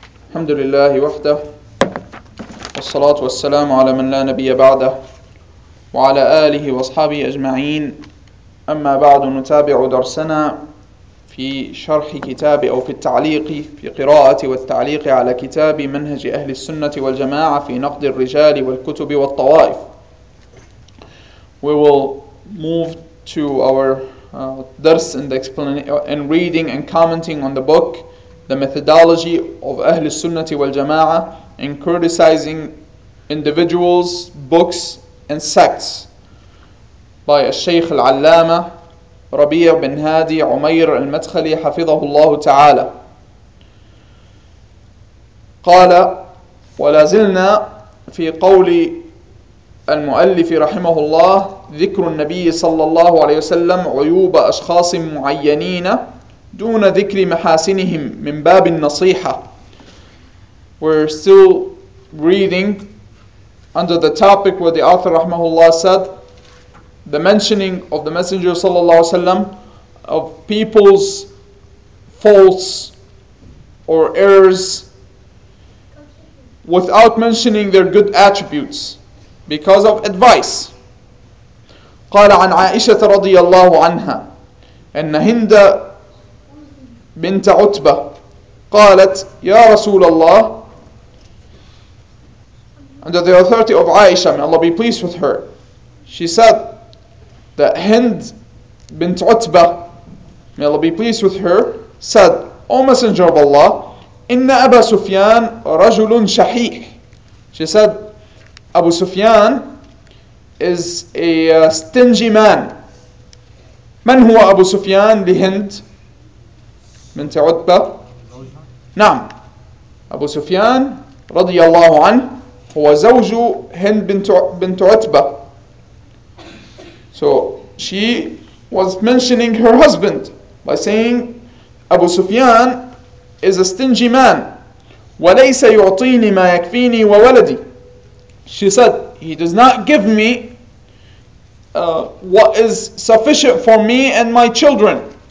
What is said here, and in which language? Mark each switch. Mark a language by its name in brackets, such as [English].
[Arabic] الحمد لله وحده والصلاة والسلام على من لا نبي بعده وعلى آله وأصحابه أجمعين. أما بعد، نتابع درسنا في شرح كتاب أو في التعليق في قراءة والتعليق على كتاب منهج أهل السنة والجماعة في نقد الرجال والكتب والطوائف. [English] We will move to our درس and reading and commenting on the book The methodology of Ahl al-Sunnah wal-Jama'ah in criticizing individuals, books, and sects by Al-Shaykh Al-Allama Rabi' bin Hadi Umayr Al-Madkhali حفظه الله تعالى. [Arabic] قال ولازلنا في قول المؤلف رحمه الله ذكر النبي صلى الله عليه وسلم عيوب أشخاص معينين دون ذكر محاسنهم من باب النصيحة. [English] We're still reading under the topic where the author rahmahullah said the mentioning of the messenger sallallahu alaihi wasallam of people's faults or errors without mentioning their good attributes because of advice. [Arabic] قال عن عائشة رضي الله عنها أن هند بنت عتبة قالت يا رسول الله [English] under the authority of Aisha, may Allah be pleased with her, she said that Hind bint Utbah, may Allah be pleased with her, said, O Messenger of Allah, [Arabic] inna Abu Sufyan rajulun shahih. [English] She said, Abu Sufyan is a stingy man. [Arabic] من هو أبو سفيان لهند بنت عتبة؟ نعم، أبو سفيان رضي الله عنه هو زوج هند بنت عتبة. [English] So she was mentioning her husband by saying أبو سفيان is a stingy man [Arabic] وليس يعطيني ما يكفيني وولدي. [English] She said he does not give me what is sufficient for me and my children.